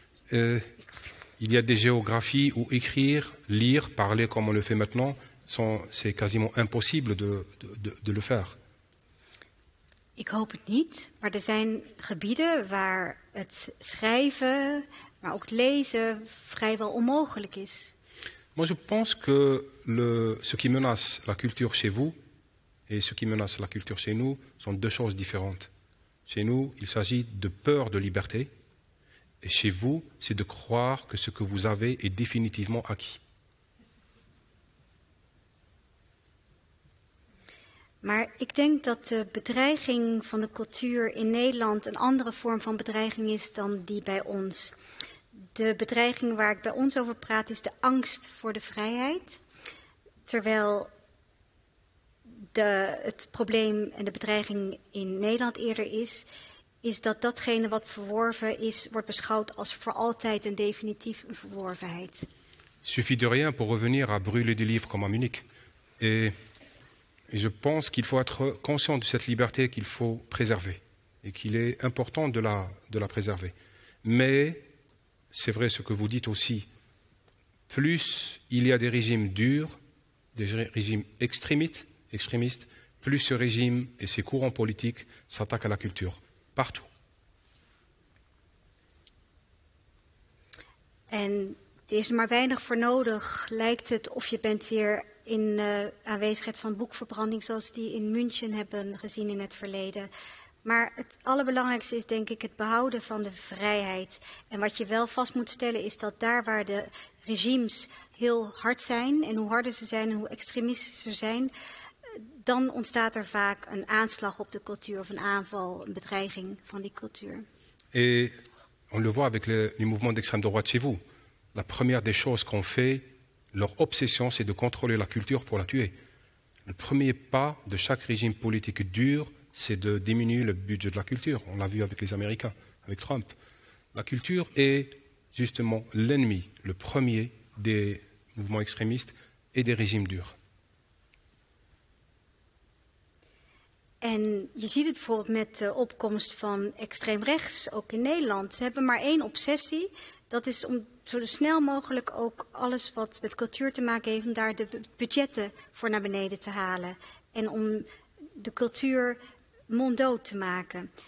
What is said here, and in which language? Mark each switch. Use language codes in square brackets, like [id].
[fr] Il y a des géographies où écrire, lire, parler comme on le fait maintenant, c'est quasiment impossible de le faire. [nl] Ik hoop het niet, maar er zijn gebieden waar het schrijven, maar ook het lezen vrijwel onmogelijk is. [fr] Moi, je pense que ce qui menace la culture chez vous et ce qui menace la culture chez nous sont deux choses différentes. Chez nous, il s'agit de peur de liberté. Et chez vous, c'est de croire que ce que vous avez est définitivement acquis. [nl] Maar ik denk dat de bedreiging van de cultuur in Nederland een andere vorm van bedreiging is dan die bij ons. De bedreiging waar ik bij ons over praat is de angst voor de vrijheid. Terwijl het probleem en de bedreiging in Nederland eerder is, is dat datgene wat verworven is, wordt beschouwd als voor altijd en definitief een verworvenheid. [fr] Suffit de rien pour revenir à brûler des livres comme à Munich. Et je pense qu'il faut être conscient de cette liberté qu'il faut préserver et qu'il est important de la préserver. Mais c'est vrai ce que vous dites aussi, plus il y a des régimes durs, des régimes extrémistes, plus ce régime et ses courants politiques s'attaquent à la culture, partout. [nl] En er is maar weinig voor nodig, lijkt het, of je bent weer in aanwezigheid van boekverbranding zoals die in München hebben gezien in het verleden. Maar het allerbelangrijkste is denk ik het behouden van de vrijheid. En wat je wel vast moet stellen is dat daar waar de regimes heel hard zijn, en hoe harder ze zijn en hoe extremistisch ze zijn, dan ontstaat er vaak een aanslag op de cultuur of een aanval, een bedreiging van die cultuur. [fr] Et on le voit avec le mouvement d'extrême droite chez vous. La première des choses qu'on fait, leur obsession, c'est de contrôler la culture pour la tuer. Le premier pas de chaque régime politique dur, c'est de diminuer le budget de la culture. On l'a vu avec les Américains, avec Trump. La culture est justement l'ennemi, le premier des mouvements extrémistes et des régimes durs. [nl] En je ziet het bijvoorbeeld met de opkomst van extreem rechts, ook in Nederland. Ze hebben maar één obsessie, dat is om zo snel mogelijk ook alles wat met cultuur te maken heeft, om daar de budgetten voor naar beneden te halen. En om de cultuur monddood te maken.